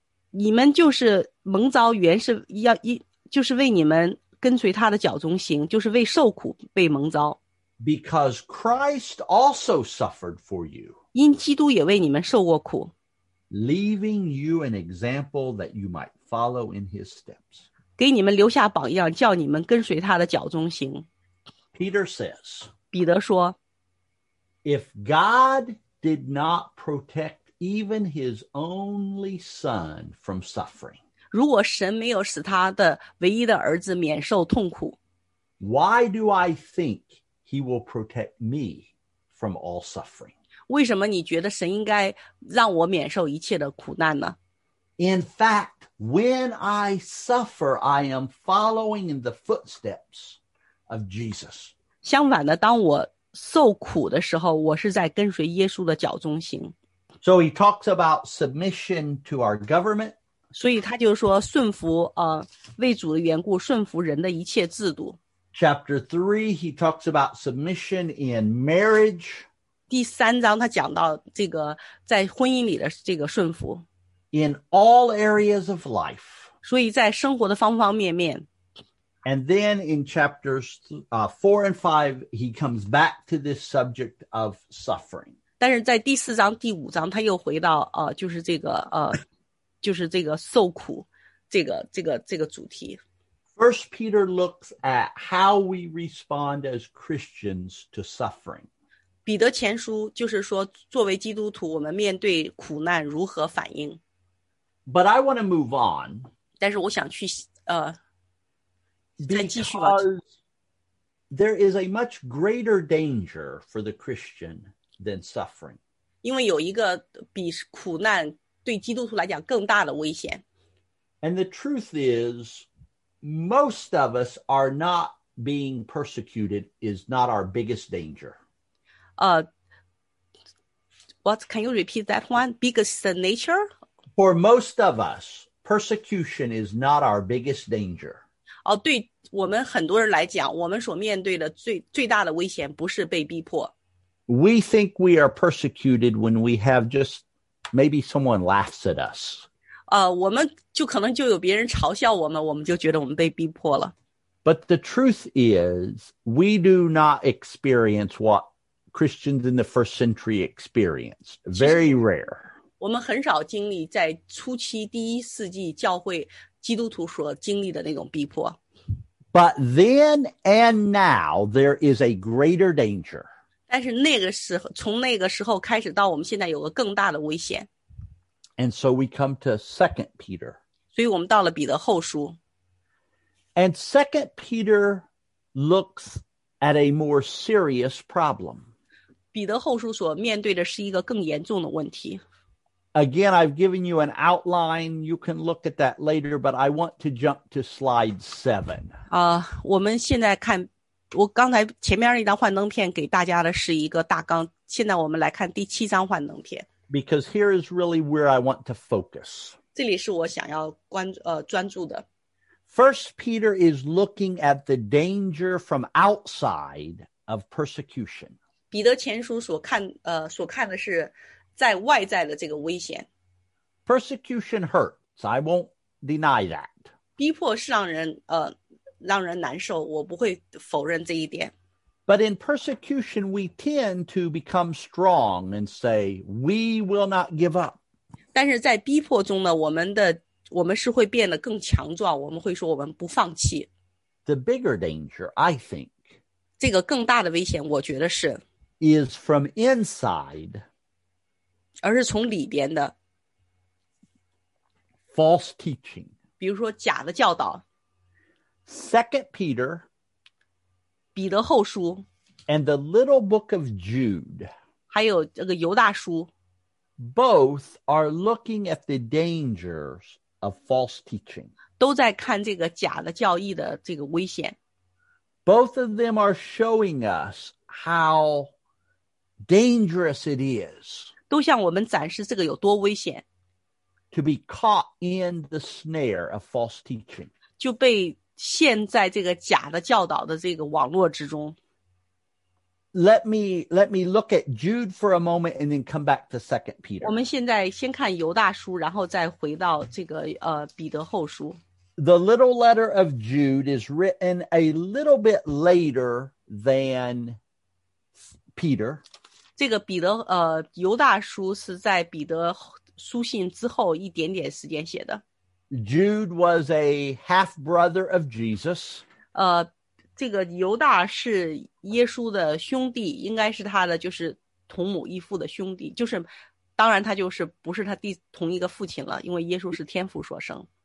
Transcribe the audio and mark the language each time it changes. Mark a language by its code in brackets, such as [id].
[zh] 你们就是蒙召原是要就是为你们跟随他的脚中行就是为受苦被蒙召。 [en] Because Christ also suffered for you. [zh] 因基督也为你们受过苦。 [en] Leaving you an example that you might follow in his steps. [zh] 给你们留下榜样叫你们跟随他的脚中行。 [en] Peter says, [zh] 彼得说, [en] if God did not protect even his only son from suffering, [zh] 如果神没有使他的唯一的儿子免受痛苦, [en] why do I think he will protect me from all suffering? [zh] 为什么你觉得神应该让我免受一切的苦难呢? [en] In fact, when I suffer, I am following in the footsteps. Of Jesus. [zh] 相反的当我受苦的时候我是在跟随耶稣的脚中行。 [en] So he talks about submission to our government. [zh] 所以他就说顺服为主的缘故顺服人的一切制度。 [en] Chapter 3, he talks about submission in marriage. [zh] 第三章他讲到这个在婚姻里的这个顺服。 [en] In all areas of life. [zh] 所以在生活的方方面面。 [en] And then in chapters 4 and 5, he comes back to this subject of suffering. [zh] 但是在第四章、第五章，他又回到就是这个就是这个受苦，这个主题。 [en] First Peter looks at how we respond as Christians to suffering. [zh] 彼得前书就是说，作为基督徒，我们面对苦难如何反应。 [en] But I want to move on. [zh] 但是我想去 [en] Because there is a much greater danger for the Christian than suffering. [zh] 因为有一个比苦难对基督徒来讲更大的危险。 [en] And the truth is, most of us are not being persecuted is not our biggest danger. Can you repeat that one? Biggest nature? For most of us, persecution is not our biggest danger. [zh] 对。我们很多人来讲，我们所面对的最大的危险不是被逼迫。 [en] We think we are persecuted when we have just maybe someone laughs at us. [zh] 我们就可能就有别人嘲笑我们，我们就觉得我们被逼迫了。 [en] But the truth is, we do not experience what Christians in the first century experienced. Very rare. [zh] 我们很少经历在初期第一世纪教会基督徒所经历的那种逼迫。 [en] But then and now, there is a greater danger. [zh] 但是那个时候，从那个时候开始到我们现在有个更大的危险。 [en] And so we come to 2 Peter. [zh] 所以我们到了彼得后书。 [en] And 2 Peter looks at a more serious problem. [zh] 彼得后书所面对的是一个更严重的问题。 [en] Again, I've given you an outline. You can look at that later, but I want to jump to slide 7. [zh] 我们现在看，我刚才前面一张幻灯片给大家的是一个大纲，现在我们来看第七张幻灯片。 [en] Because here is really where I want to focus. [zh] 这里是我想要关注专注的。 [en] First Peter is looking at the danger from outside of persecution. [zh] 彼得前书所看所看的是在外在的这个危险。 [en] Persecution hurts. I won't deny that. [zh] 逼迫是让人难受，我不会否认这一点。 [en] But in persecution, we tend to become strong and say, we will not give up. [zh] 但是在逼迫中呢，我们是会变得更强壮，我们会说我们不放弃。 [en] The bigger danger, I think, [zh] 这个更大的危险，我觉得是 [en] is from inside, [zh] 而是从里边的 [en] false teaching, [zh] 比如说假的教导。 [en] Second Peter, [zh] 彼得后书 [en] and the little book of Jude, [zh] 还有这个犹大书 [en] both are looking at the dangers of false teaching. [zh] 都在看这个假的教义的这个危险。 [en] Both of them are showing us how dangerous it is. [zh] 都向我们展示这个有多危险。 [en] To be caught in the snare of false teaching. [zh] 就被陷在这个假的教导的这个网络之中。 [en] Let me look at Jude for a moment and then come back to 2 Peter. [zh] 我们现在先看犹大书，然后再回到这个彼得后书。 [en] The little letter of Jude is written a little bit later than Peter. [zh] 这个彼得犹大书是在彼得书信之后一点点时间写的。 [en] Jude was a half-brother of Jesus. [zh] 这个犹大是耶稣的兄弟，应该是他的就是同母异父的兄弟，就是当然他就是不是他弟同一个父亲了，因为耶稣是天父所生。